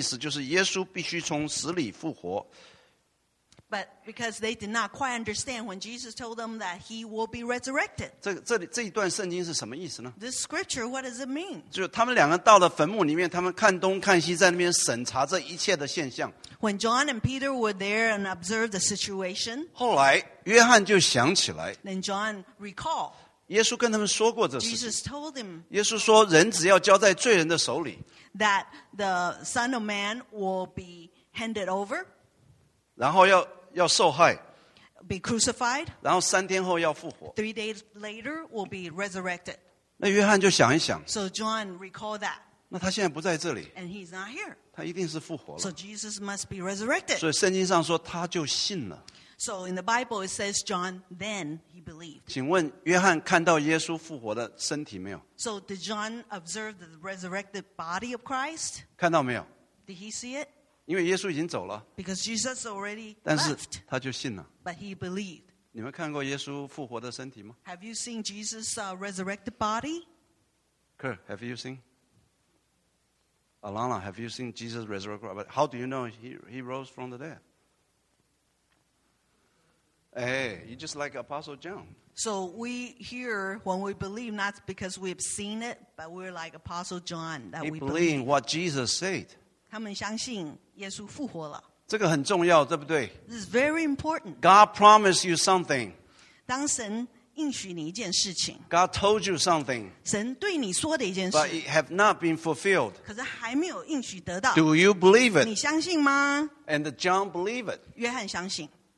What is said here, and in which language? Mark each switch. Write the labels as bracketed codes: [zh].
[zh] 因为他们还不明白圣经的意思，就是耶稣必须从死里复活。 [en] But because they did not quite understand when Jesus told them that he will be resurrected. [zh] 这一段圣经是什么意思呢? [en] This scripture, what does it mean? [zh] 就他们两个到了坟墓里面，他们看东看西，在那边审查这一切的现象。 [en] When John and Peter were there and observed the situation, [zh] 后来约翰就想起来。 [en] Then John recalled. [zh] 耶稣跟他们说过这事。耶稣说人只要交在罪人的手里, [en] that the Son of Man will be handed over, [zh] 然后要受害, [en] be crucified, [zh] 然后3天后要复活, [en] 3 days later will be resurrected. [zh] 那约翰就想一想, [en] so John recalled that. [zh] 那他现在不在这里, [en] and he's not here. [zh] 他一定是复活了。 [en] So Jesus must be resurrected. [zh] 所以圣经上说他就信了。 [en] So in the Bible it says John then he believed. [zh] 请问约翰看到耶稣复活的身体没有? [en] So did John observe the resurrected body of Christ? [zh] 看到没有? [en] Did he see it? [zh] 因为耶稣已经走了。 [en] Because Jesus already left. [zh] 但是他就信了。 [en] But he believed. [zh] 你们看过耶稣复活的身体吗? [en] Have you seen Jesus' resurrected body? Kurt, have you seen? Alana, have you seen Jesus' resurrected body? How do you know he rose from the dead? Hey, you're just like Apostle John. So we hear when we believe, not because we've seen it, but we're like Apostle John that we believe what Jesus said. [zh] 他们相信耶稣复活了。这个很重要，对不对? [en] This is very important. God promised you something. [zh] 当神应许你一件事情, [en] God told you something. [zh] 神对你说的一件事, [en] but it have not been fulfilled. [zh] 可是还没有应许得到, [en] do you believe it? [zh] 你相信吗? [en] And John believed it. [zh] 约翰相信。